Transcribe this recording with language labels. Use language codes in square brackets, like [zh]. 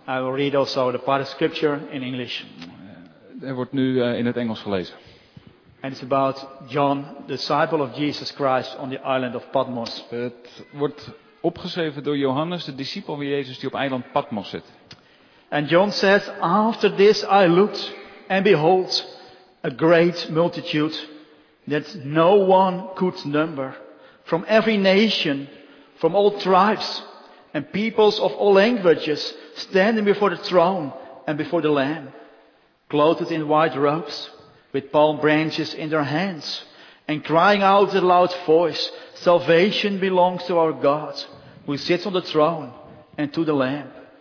[en] I will read also the part of scripture in English. [nl] Er wordt nu in het Engels gelezen. [en] And it's about John, disciple of Jesus Christ, on the island of Patmos. [nl] Het wordt opgeschreven door Johannes, de discipel van Jezus die op eiland Patmos zit. [en] And John says, after this I looked, and behold, a great multitude that no one could number, from every nation, from all tribes, and peoples of all languages, standing before the throne and before the Lamb, clothed in white robes, with palm branches in their hands, and crying out with a loud voice, salvation belongs to our God, who sits on the throne, and to the Lamb.